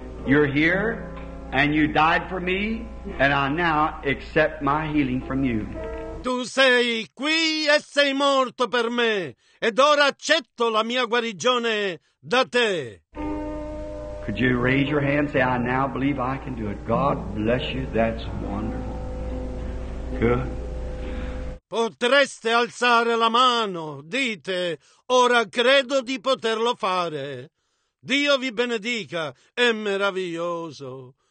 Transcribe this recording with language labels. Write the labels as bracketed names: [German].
[English] You're here, And you died for me, and I now accept my healing from you. [Italian] Tu sei qui e sei morto per me, ed ora accetto la mia guarigione da te. [English] Could you raise your hand and say, I now believe I can do it. God bless you, that's wonderful. Good. [Italian] Potreste alzare la mano, dite, ora credo di poterlo fare. Dio vi benedica, è meraviglioso.